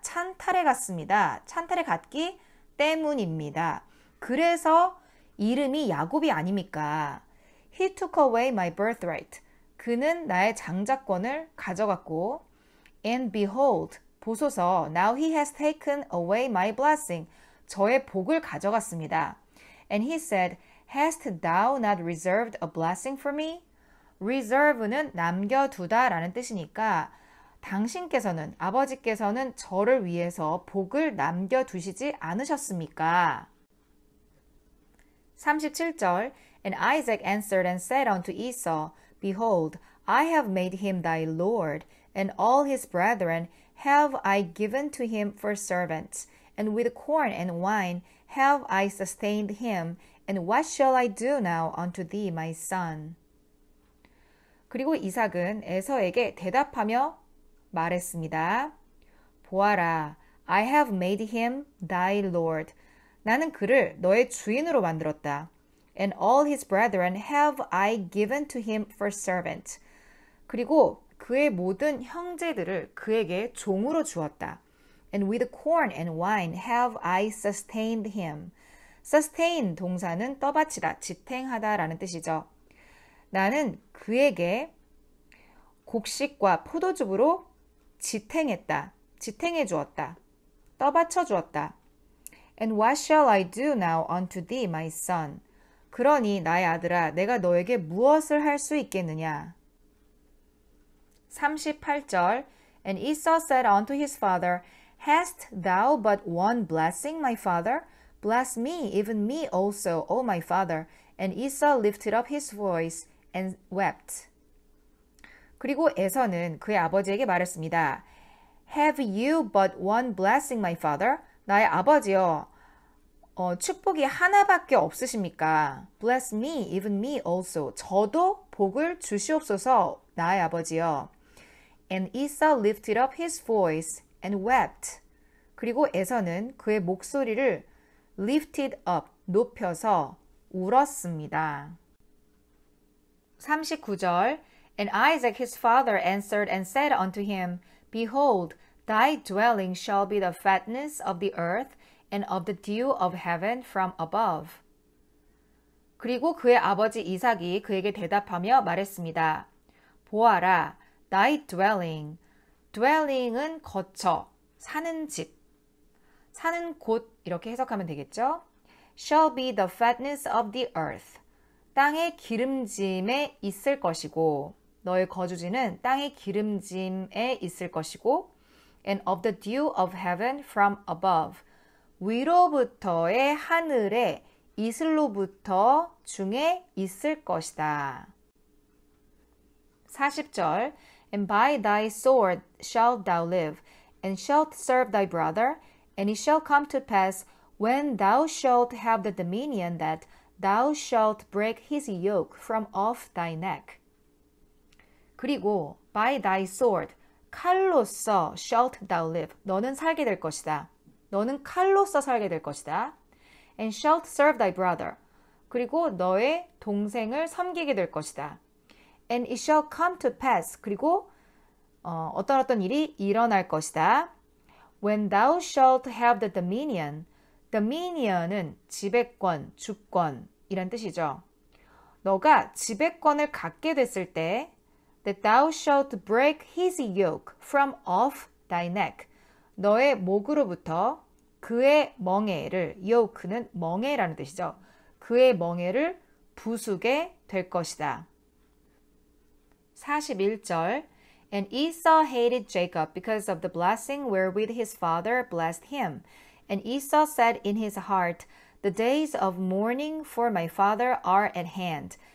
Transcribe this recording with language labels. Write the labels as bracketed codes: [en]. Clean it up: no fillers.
[ko] 찬탈해 갔습니다. 찬탈해 갔기 때문입니다. 그래서 이름이 야곱이 아닙니까? [en] He took away my birthright. [ko] 그는 나의 장자권을 가져갔고, [en] And behold, [ko] 보소서, [en] now he has taken away my blessing. [ko] 저의 복을 가져갔습니다. [en] And he said, Hast thou not reserved a blessing for me? [ko] Reserve는 남겨두다 라는 뜻이니까 당신께서는, 아버지께서는 저를 위해서 복을 남겨두시지 않으셨습니까? [en] 37절 And Isaac answered and said unto Esau, Behold, I have made him thy lord, and all his brethren have I given to him for servants, and with corn and wine have I sustained him, and what shall I do now unto thee, my son? [ko] 그리고 이삭은 에서에게 대답하며 말했습니다. 보아라, [en] I have made him thy lord. [ko] 나는 그를 너의 주인으로 만들었다. [en] And all his brethren have I given to him for servant. [ko] 그리고 그의 모든 형제들을 그에게 종으로 주었다. [en] And with corn and wine have I sustained him. [ko] Sustain 동사는 떠받치다, 지탱하다 라는 뜻이죠. 나는 그에게 곡식과 포도즙으로 지탱했다, 지탱해 주었다, 떠받쳐 주었다. [en] And what shall I do now unto thee, my son? [ko] 그러니 나의 아들아, 내가 너에게 무엇을 할 수 있겠느냐? [en] 38절 And Esau said unto his father, Hast thou but one blessing, my father? Bless me, even me also, O my father. And Esau lifted up his voice and wept. [ko] 그리고 에서는 그의 아버지에게 말했습니다. [en] Have you but one blessing, my father? [ko] 나의 아버지요. 축복이 하나밖에 없으십니까? [en] Bless me, even me also. [ko] 저도 복을 주시옵소서, 나의 아버지요. [en] And Esau lifted up his voice and wept. [ko] 그리고 에서는 그의 목소리를 [en] lifted up, [ko] 높여서 울었습니다. [en] 39절 And Isaac his father answered and said unto him, Behold, thy dwelling shall be the fatness of the earth and of the dew of heaven from above. [ko] 그리고 그의 아버지 이삭이 그에게 대답하며 말했습니다. 보아라, [en] thy dwelling. [ko] Dwelling은 거처, 사는 집, 사는 곳 이렇게 해석하면 되겠죠? [en] Shall be the fatness of the earth. [ko] 땅의 기름짐에 있을 것이고 너의 거주지는 땅의 기름짐에 있을 것이고 [en] and of the dew of heaven from above [ko] 위로부터의 하늘에 이슬로부터 중에 있을 것이다. [en] 40절 And by thy sword shalt thou live and shalt serve thy brother and it shall come to pass when thou shalt have the dominion that Thou shalt break his yoke from off thy neck. 그리고 by thy sword, 칼로써 shalt thou live. [ko] 너는 살게 될 것이다. 너는 칼로써 살게 될 것이다. [en] And shalt serve thy brother. [ko] 그리고 너의 동생을 섬기게 될 것이다. [en] And it shall come to pass. [ko] 그리고 어떤 일이 일어날 것이다. [en] When thou shalt have the dominion. [ko] Dominion은 지배권, 주권 이란 뜻이죠. 너가 지배권을 갖게 됐을 때 [en] that thou shalt break his yoke from off thy neck. [ko] 너의 목으로부터 그의 멍에를 yoke는 멍에라는 뜻이죠. 그의 멍에를 부수게 될 것이다. [en] 41절 And Esau hated Jacob because of the blessing wherewith his father blessed him. And Esau said in his heart, The days of mourning for my father are at hand.